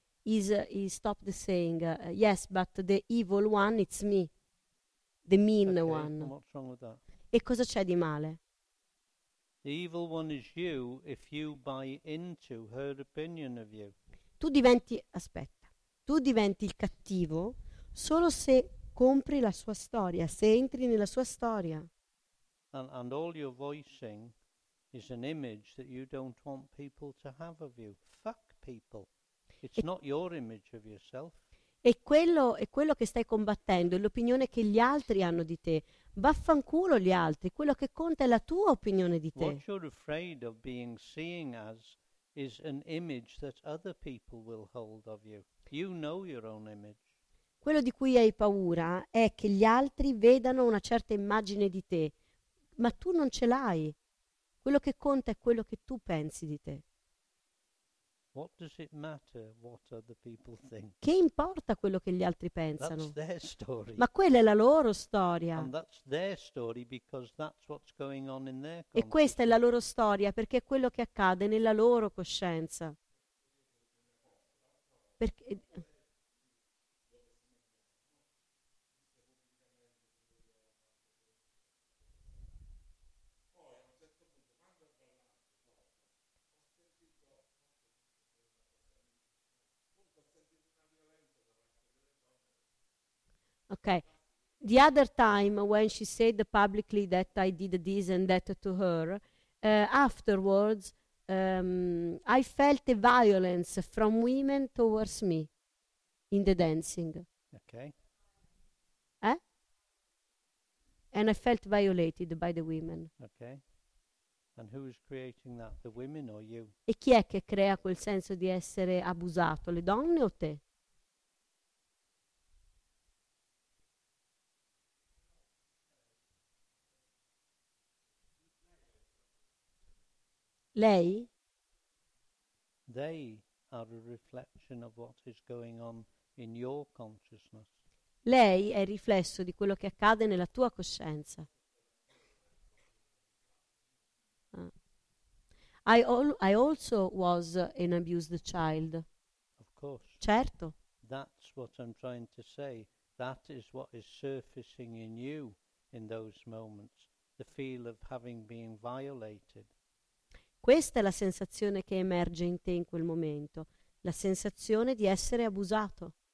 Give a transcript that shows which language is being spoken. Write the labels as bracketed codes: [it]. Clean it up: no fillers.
[en] He stopped saying, yes, but the evil one, it's me. The mean okay, one. What's wrong with that? [it] E cosa c'è di male? [en] The evil one is you if you buy into her opinion of you. [it] Tu diventi il cattivo solo se compri la sua storia, se entri nella sua storia. [en] And all your voicing is an image that you don't want people to have of you. Fuck people. It's not your image of yourself. [it] E quello che stai combattendo è l'opinione che gli altri hanno di te. Vaffanculo gli altri, quello che conta è la tua opinione di te. [en] What you're afraid of being seen as is an image that other people will hold of you. You know your own image. [it] Quello di cui hai paura è che gli altri vedano una certa immagine di te, ma tu non ce l'hai. Quello che conta è quello che tu pensi di te. [en] What does it matter what other people think? [it] Che importa quello che gli altri pensano? [en] That's their story. [it] Ma quella è la loro storia. [en] And that's their story because that's what's going on in their [it] consciousness. E questa è la loro storia perché è quello che accade nella loro coscienza. Perché... [en] Okay, the other time when she said publicly that I did this and that to her, afterwards I felt a violence from women towards me in the dancing. Okay. Eh? And I felt violated by the women. Okay. And who is creating that, the women or you? [it] E chi è che crea quel senso di essere abusato, le donne o te? Lei? [en] They are a reflection of what is going on in your consciousness. [it] Lei è il riflesso di quello che accade nella tua coscienza. [en] I also was an abused child. Of course. [it] Certo. [en] That's what I'm trying to say. That is what is surfacing in you in those moments. The feel of having been violated. [it] Questa è la sensazione che emerge in te in quel momento, la sensazione di essere abusato.